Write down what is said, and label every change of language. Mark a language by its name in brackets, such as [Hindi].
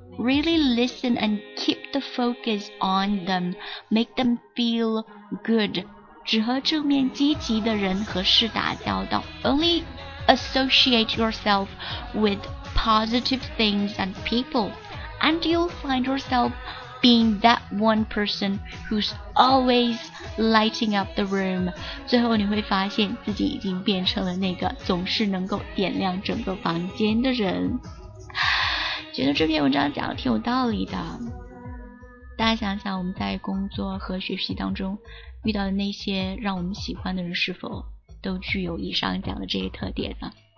[English] really listen and keep the focus on them, make them feel good. [Chinese] 只和正面积极的人和事打交道。 [English] Only associate yourself with positive things and people, and you'll find yourself being that one person who's always lighting up the room. [Chinese] 最后你会发现自己已经变成了那个总是能够点亮整个房间的人。觉得这篇文章讲的挺有道理的，大家想想我们在工作和学习当中遇到的那些让我们喜欢的人是否都具有以上讲的这些特点呢？